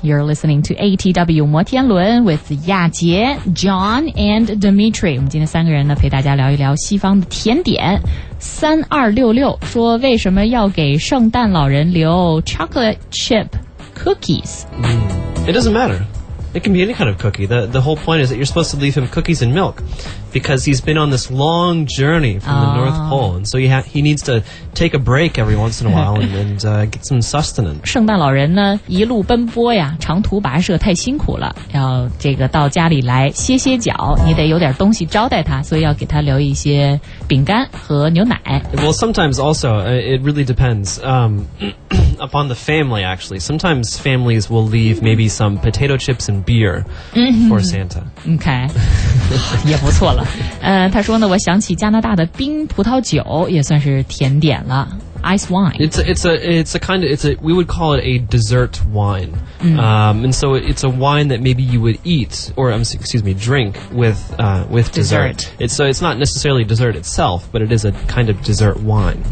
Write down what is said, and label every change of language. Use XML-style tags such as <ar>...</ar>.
<en>You're listening to ATW 摩天轮 with 亚杰 John and Dimitri.</en> <zh>我们今天三个人呢陪大家聊一聊西方的甜点。 3266说为什么要给圣诞老人留</zh> <en>chocolate chip cookies?、 Mm. It doesn't matter. It can be any kind of cookie. The whole point is that you're supposed to leave him cookies and milk because he's been on this long journey from the North Pole. And so he needs to take a break every once in a while and get some sustenance.</en> <zh>圣诞老人呢一路奔波呀长途跋涉太辛苦了要这个到家里来歇歇脚你得有点东西招待他所以要给他留一些饼干和牛奶。</zh> <en>Well, sometimes also, it really depends, upon the family, actually. Sometimes families will leave maybe some potato chips and beer for Santa. Okay.</en> <zh>也不错了。他说呢我想起加拿大的冰葡萄酒也算是甜点了。</zh> <en>Ice wine. It's a kind of, we would call it a dessert wine.、 Mm. And so it's a wine that maybe you would eat, or excuse me, drink with dessert. It's, so it's not necessarily dessert itself, but it is a kind of dessert wine.</en>